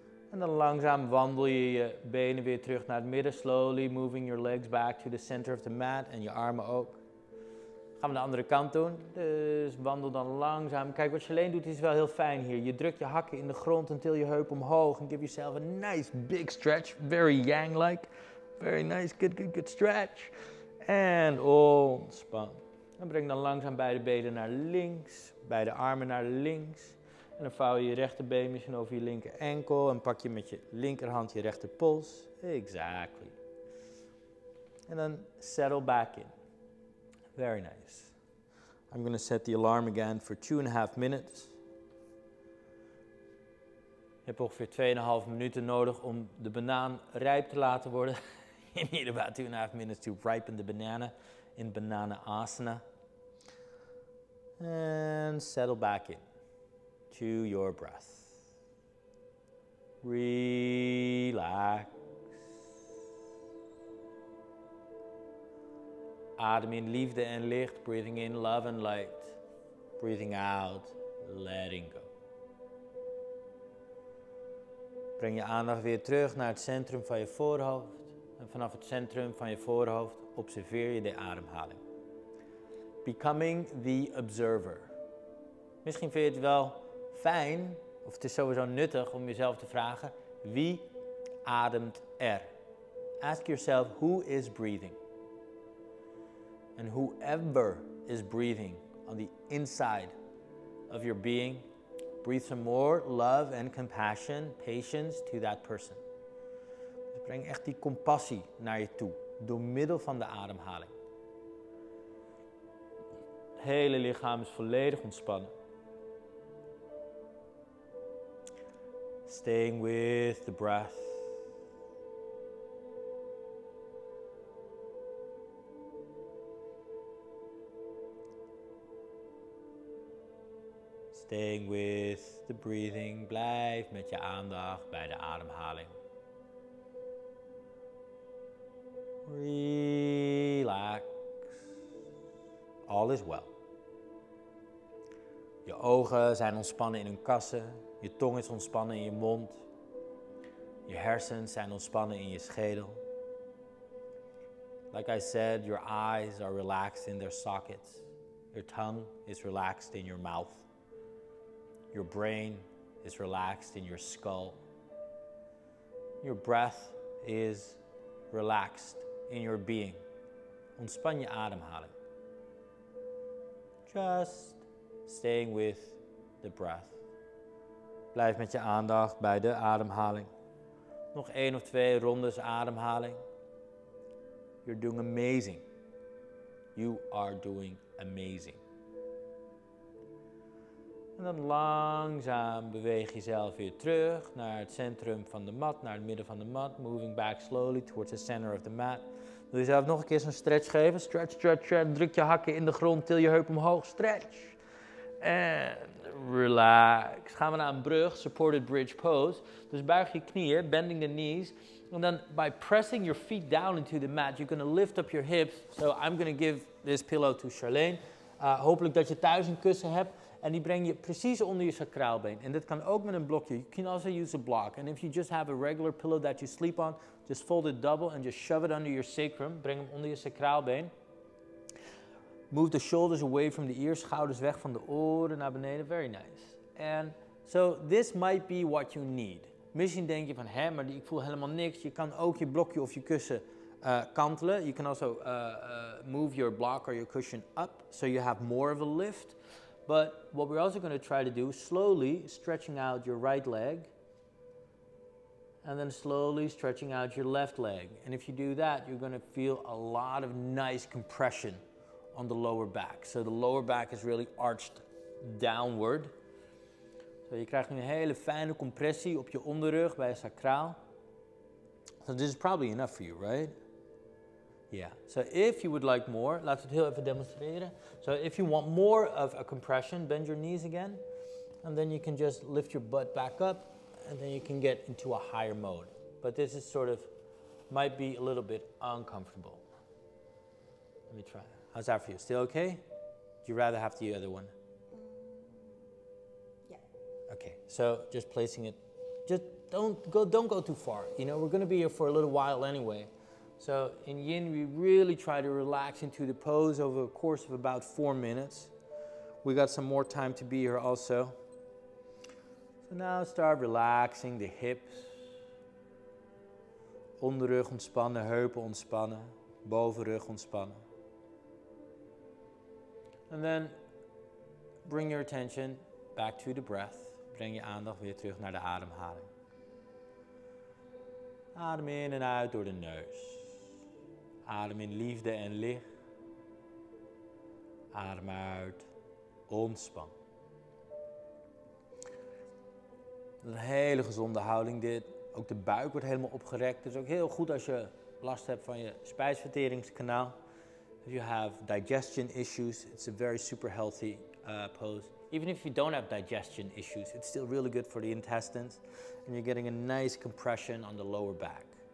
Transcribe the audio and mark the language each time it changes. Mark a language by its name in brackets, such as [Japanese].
[Dutch] En dan langzaam wandel je je benen weer terug naar het midden. [English] Slowly moving your legs back to the center of the mat. [Dutch] En je armen ook. Gaan we de andere kant doen. Dus wandel dan langzaam. Kijk, wat je alleen doet is wel heel fijn hier. Je drukt je hakken in de grond en til je heup omhoog. En [English] give yourself a nice big stretch. Very yang-like. Very nice. Good, good, good stretch. [Dutch] En ontspan. En breng dan langzaam beide benen naar links. Beide armen naar links. En dan vouw je je rechterbeen misschien over je linker enkel. En pak je met je linkerhand je rechter pols. [English] Exactly. [Dutch] En dan [English] settle back in. Very nice. I'm going to set the alarm again for 2.5 minutes. [Dutch] Je hebt ongeveer 2.5 minuten nodig om de banaan rijp te laten worden. [English] You need about 2.5 minutes to ripen the banana in banana asana. And settle back in to your breath. Relax. [Dutch] Adem in liefde en licht. [English] Breathing in love and light. Breathing out, letting go. [Dutch] Breng je aandacht weer terug naar het centrum van je voorhoofd. En vanaf het centrum van je voorhoofd observeer je de ademhaling. [English] Becoming the observer. [Dutch] Misschien vind je het wel fijn, of het is sowieso nuttig om jezelf te vragen, wie ademt er? [English] Ask yourself, who is breathing? And whoever is breathing on the inside of your being, breathe some more love and compassion, patience to that person. [Dutch] Dus breng echt die compassie naar je toe, door middel van de ademhaling. Het hele lichaam is volledig ontspannen. [English] Staying with the breath. Staying with the breathing. [Dutch] Blijf met je aandacht bij de ademhaling. [English] Relax. All is well. [Dutch] Je ogen zijn ontspannen in hun kassen. Je tong is ontspannen in je mond. Je hersens zijn ontspannen in je schedel. [English] Like I said, your eyes are relaxed in their sockets. Your tongue is relaxed in your mouth. Your brain is relaxed in your skull. Your breath is relaxed in your being. [Dutch] Ontspan je ademhaling. [English] Just staying with the breath. [Dutch] Blijf met je aandacht bij de ademhaling. Nog 1 of 2 rondes ademhaling. [English] You're doing amazing. You are doing amazing. [Dutch] En dan langzaam beweeg jezelf weer terug naar het centrum van de mat, naar het midden van de mat. [English] Moving back slowly towards the center of the mat. [Dutch] Wil je jezelf nog een keer zo'n stretch geven? Stretch, stretch, stretch. Druk je hakken in de grond, til je heup omhoog. Stretch. En relax. Gaan we naar een brug, [English] supported bridge pose. [Dutch] Dus buig je knieën, [English] bending the knees. And then by pressing your feet down into the mat, you're going to lift up your hips. So I'm going to give this pillow to Charlene. [Dutch] Hopelijk dat je thuis een kussen hebt. En die breng je precies onder je sacraalbeen. En dat kan ook met een blokje. [English] You can also use a block. And if you just have a regular pillow that you sleep on, just fold it double and just shove it under your sacrum. [Dutch] Breng hem onder je sacraalbeen. [English] Move the shoulders away from the ears, [Dutch] schouders weg van de oren naar beneden. [English] Very nice. And so this might be what you need. [Dutch] Misschien denk je van, hé, maar ik voel helemaal niks. Je kan ook je blokje of je kussen kantelen. [English] You can also move your block or your cushion up, so you have more of a lift. But what we're also going to try to do, slowly stretching out your right leg. And then slowly stretching out your left leg. And if you do that, you're going to feel a lot of nice compression on the lower back. So the lower back is really arched downward. [Dutch] So je krijgt nu een hele fijne compressie op je onderrug bij sacraal. [English] So this is probably enough for you, right? Yeah. So if you would like more, [Dutch] laten we het heel even demonstreren. [English] So if you want more of a compression, bend your knees again. And then you can just lift your butt back up. And then you can get into a higher mode. But this is sort of, might be a little bit uncomfortable. Let me try. How's that for you? Still okay? Do you rather have the other one? Yeah. Okay. So just placing it. Just don't go too far. You know, we're going to be here for a little while anyway. So in yin, we really try to relax into the pose over a course of about 4 minutes. We got some more time to be here also. So now start relaxing the hips. [Dutch] Onderrug ontspannen, heupen ontspannen, bovenrug ontspannen. [English] And then bring your attention back to the breath. [Dutch] breng je aandacht weer terug naar de ademhaling. Adem in en uit door de neus. Adem in liefde en licht. Adem uit, ontspan. Een hele gezonde houding dit. Ook de buik wordt helemaal opgerekt. Het is ook heel goed als je last hebt van je spijsverteringskanaal. [English] If you have digestion issues, it's a very super healthy pose. Even if you don't have digestion issues, it's still really good for the intestines. And you're getting a nice compression on the lower back.